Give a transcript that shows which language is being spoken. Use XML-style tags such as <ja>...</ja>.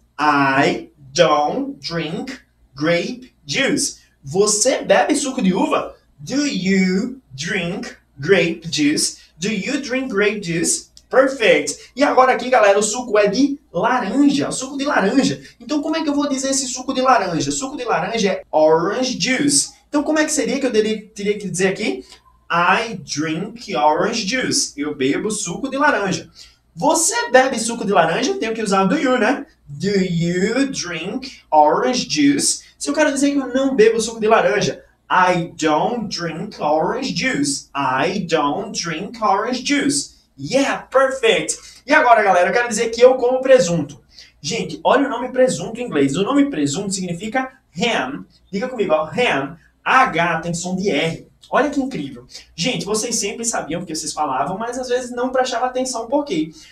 <en>I don't drink grape juice.</en> <pt>Você bebe suco de uva?</pt> <en>Do you drink grape juice? Do you drink grape juice? Perfect.</en> <pt>E agora aqui, galera, o suco é de laranja. Suco de laranja. Então, como é que eu vou dizer esse suco de laranja? Suco de laranja é orange juice. Então, como é que seria que eu teria que dizer aqui?</pt> <en>I drink orange juice.</en> <pt>Eu bebo suco de laranja. Você bebe suco de laranja? Tenho que usar do you, né?</pt> <en>Do you drink orange juice?</en> <pt>Se eu quero dizer que eu não bebo suco de laranja,</pt> <en>I don't drink orange juice. I don't drink orange juice. Yeah, perfect.</en> <pt>E agora, galera, eu quero dizer que eu como presunto. Gente, olha o nome presunto em inglês. O nome presunto significa ham. Liga comigo, ó. Ham. H tem som de R. Olha que incrível. Gente, vocês sempre sabiam o que vocês falavam, mas às vezes não prestavam atenção. Por quê?</pt>